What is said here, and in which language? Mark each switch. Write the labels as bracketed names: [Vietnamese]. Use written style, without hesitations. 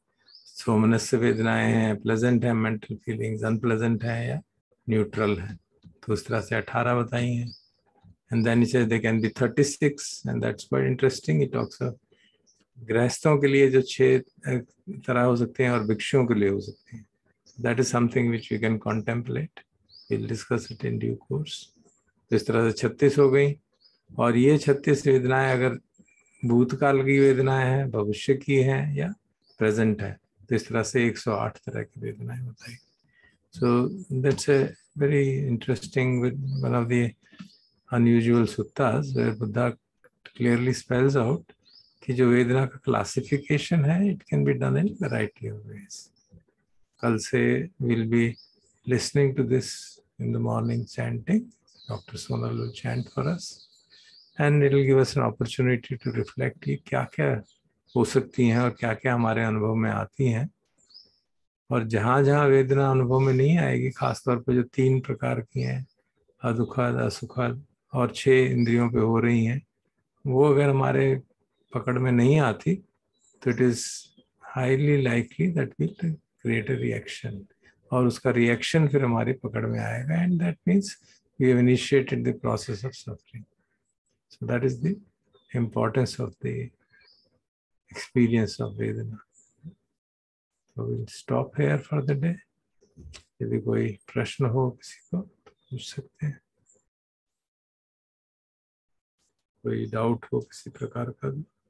[Hindi] सोमनस्य वेदनाएं हैं, प्लेजेंट है mental feelings, unpleasant है या न्यूट्रल है. तो उस तरह से 18 बताई हैं. [English] And then say they can be 36 and that's very interesting. It talks of [Hindi] गृहस्थों के लिए जो छह तरह हो सकते हैं और भिक्षुओं के लिए हो सकते हैं. [English] That is something which we can contemplate. We'll discuss it in due course. [Hindi] इस तरह से 36 हो गई. और ये 36 वेदनाएं अगर भूतकाल की वेदनाएं हैं, भविष्य की हैं या प्रेजेंट है, तो इस तरह से 108 तरह की वेदनाएं बताई. [English] So that's a very interesting one of the unusual suttas where Buddha clearly spells out [Hindi] कि जो वेदना का क्लासिफिकेशन है, [English] it can be done in variety of ways. [Hindi] कल से [English] Will be listening to this in the morning chanting. Doctor Sonal will chant for us and it will give us an opportunity to reflect [Hindi] कि क्या क्या हो सकती हैं और क्या क्या हमारे अनुभव में आती हैं. और जहाँ जहाँ वेदना अनुभव में नहीं आएगी, खासतौर पर जो तीन प्रकार की हैं अदुखद असुखद और छः इंद्रियों पर हो रही हैं, वो अगर हमारे पकड़ में नहीं आती तो [English] It is highly likely that will greater reaction. [Hindi] और उसका reaction फिर हमारी पकड़ में आएगा [English] and that means we have initiated the process of suffering. So that is the importance of the experience of Vedana. So we'll stop here for the day. [Hindi] यदि कोई प्रश्न हो किसी को पूछ सकते हैं, कोई doubt हो किसी प्रकार का भी.